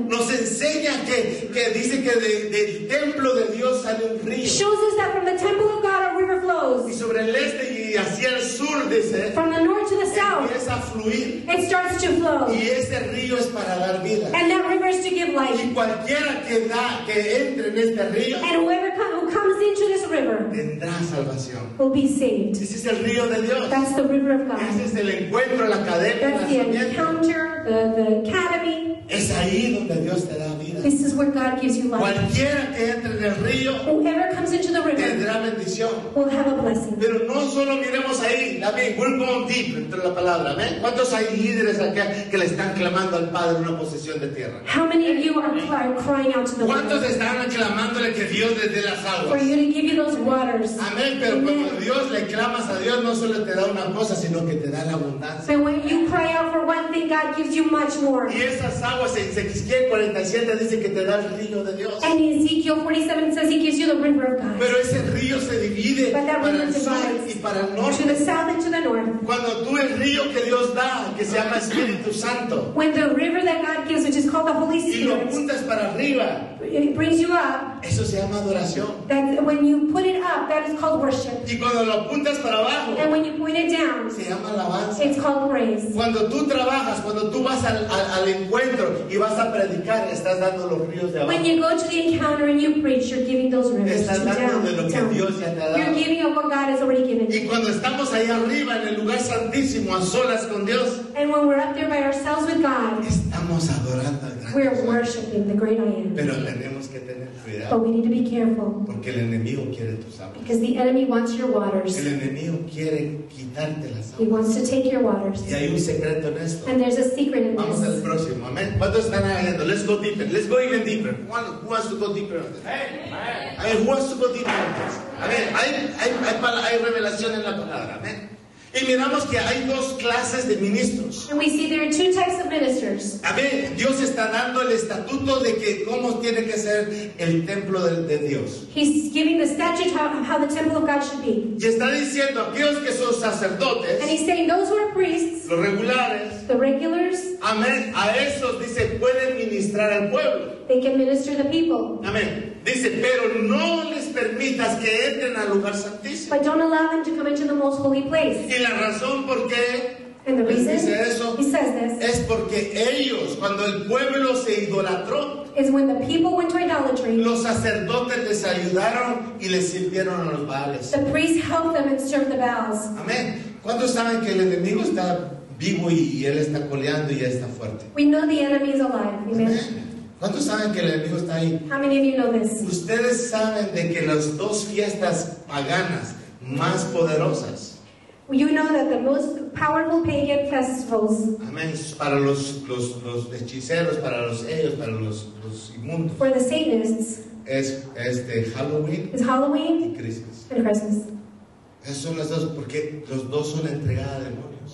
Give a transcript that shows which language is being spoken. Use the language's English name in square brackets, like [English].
[Spanish] Nos enseña que dice que del templo de Dios sale un río. [English] Shows us that from the temple of God a river flows. [Spanish] Y sobre el este y hacia el sur dice. [English] From the north to the south. [Spanish] Empieza a fluir. [English] It starts to flow. [Spanish] Y ese río es para dar vida. [English] And that river is to give life. [Spanish] Y cualquiera que entre en este río. [English] And whoever comes into this river. [Spanish] Tendrá salvación. [English] Will be saved. [Spanish] Ese es el río de Dios. [English] That's the river of God. [Spanish] Ese es el encuentro. La cadena, [English] that's the encounter, the academy. [Spanish] Es ahí donde Dios te da vida. [English] This is where God gives you life. [Spanish] Cualquiera que entre en el río, [English] whoever comes into the river, [Spanish] tendrá bendición. [English] Will have a blessing. [Spanish] Pero no solo miremos ahí. Amén. [English] We're going deep [Spanish] entre la palabra. Amén. ¿Cuántos hay líderes acá que le están clamando al Padre una posesión de tierra? [English] How many of you are crying out to the Lord? [Spanish] ¿Cuántos están clamándole que Dios les dé las aguas? aguas. [English] For you to give you those waters. Amén. [Spanish] Pero cuando Dios le clamas a Dios, no solo te da una cosa, sino que te da la abundancia. [English] But when you cry out for one thing, God gives you much more. [Spanish] Y esas aguas en Ezequiel 47 dice que te da el río de Dios. [English] And Ezekiel 47 says he gives you the river of God. [Spanish] Pero ese río se divide para el sur y para el norte. [English] To the south and to the north. [Spanish] Cuando tú el río que Dios da, que se llama Espíritu Santo. [English] When the river that God gives, which is called the Holy Spirit. [Spanish] Y lo juntas para arriba. [English] It brings you up. [Spanish] Eso se llama adoración. [English] That when you put it up, that is called worship. [Spanish] Y cuando lo apuntas para abajo, [English] and when you point it down, [Spanish] se llama alabanza. [English] It's called praise. [Spanish] Cuando tú trabajas, cuando tú vas al encuentro y vas a predicar, estás dando los ríos de abajo. [English] When you go to the encounter and you preach, you're giving those rivers down. [Spanish] Estás dando de lo que Dios ya te ha dado. [English] You're giving of what God has already given. [Spanish] Y cuando estamos ahí arriba en el lugar santísimo, a solas con Dios, [English] and when we're up there by ourselves with God, [Spanish] estamos adorando. [English] We're worshiping the great I am. [Spanish] Pero tenemos que tener cuidado. [English] But we need to be careful. [Spanish] Porque el enemigo quiere tus aguas. [English] Because the enemy wants your waters. [Spanish] El enemigo quiere quitarte las aguas. [English] He wants to take your waters. [Spanish] Y hay un secreto en esto. [English] And there's a secret in this. [Spanish] Vamos al próximo. Amen. ¿Cuántos están ahí? [English] Let's go deeper. Let's go even deeper. Who wants to go deeper? Hey, amen. Who wants to go deeper? Amen. [Spanish] Hay revelación en la palabra. Amen. Y miramos que hay dos clases de ministros. [English] And we see there are two types of ministers. [Spanish] A ver, Dios está dando el estatuto de que cómo tiene que ser el templo de Dios. [English] He's giving the statute how the temple of God should be. [Spanish] Y está diciendo aquellos que son sacerdotes. [English] And he's saying those who are priests. [Spanish] Los regulares. [English] The regulars. Amén. [Spanish] A esos dice pueden ministrar al pueblo. [English] They can minister the people. Amén. [Spanish] Dice, pero no les permitas que entren al lugar santísimo. [English] But don't allow them to come into the most holy place. [Spanish] Y la razón por qué dice eso, [English] he says this, [Spanish] es porque ellos, cuando el pueblo se idolatró, [English] is when the people went to idolatry. [Spanish] Los sacerdotes les ayudaron y les sirvieron a los baales. [English] The priests helped them and served the baals. Amén. [Spanish] ¿Cuántos saben que el enemigo está vivo y él está coleando y ya está fuerte? [English] We know the enemy is alive. Amen. [Spanish] ¿Cuántos saben que el enemigo está ahí? [English] How many of you know this? [Spanish] Ustedes saben de que las dos fiestas paganas más poderosas. [English] You know that the most powerful pagan festivals. Amén. [Spanish] Para los hechiceros, para los ellos, para los inmundos. [English] For the Satanists. [Spanish] Es Halloween. [English] It's Halloween. [Spanish] Y Christmas. [English] And Christmas. [Spanish] Esos son las dos, porque los dos son entregada a demonios.